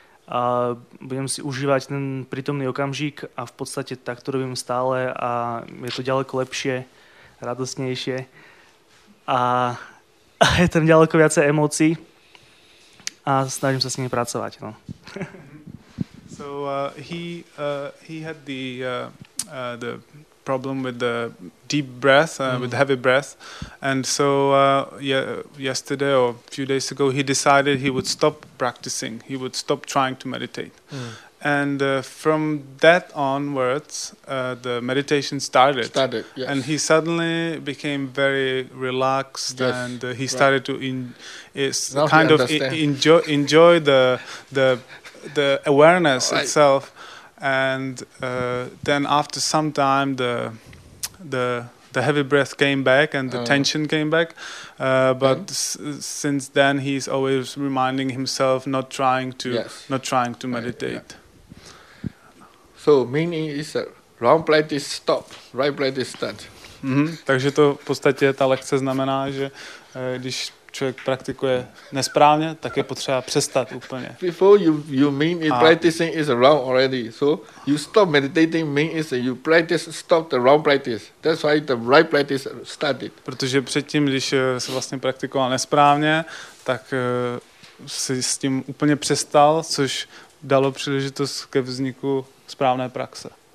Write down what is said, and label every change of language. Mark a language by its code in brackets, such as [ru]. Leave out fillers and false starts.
[sk] A budem si užívať ten prítomný okamžik a v podstate takto robím stále a je to ďaleko lepšie, radosnejšie. A je tam ďaleko viacej emócií a snažím sa s nimi pracovať. No. [en] So he had the problem with the deep breath, with heavy breath, and so yesterday or a few days ago he decided he would stop practicing, he would stop trying to meditate. And from that onwards the meditation started. Yes. And he suddenly became very relaxed. Yes. And he started to enjoy the awareness itself. And then after some time the heavy breath came back and the tension came back, but since then he's always reminding himself not trying to meditate. So meaning is that wrong breath is stop, right breath is start. [cs] Takže to v podstatě ta lekce znamená, že když člověk praktikuje nesprávně, tak je potřeba přestat úplně. [en] Before you mean it, practicing is wrong already. So you stop meditating mean is you practice stop the wrong practice. That's why the right practice started. [cs] Protože předtím, když se vlastně praktikoval nesprávně, tak si s tím úplně přestal, což dalo příležitost ke vzniku správné praxe.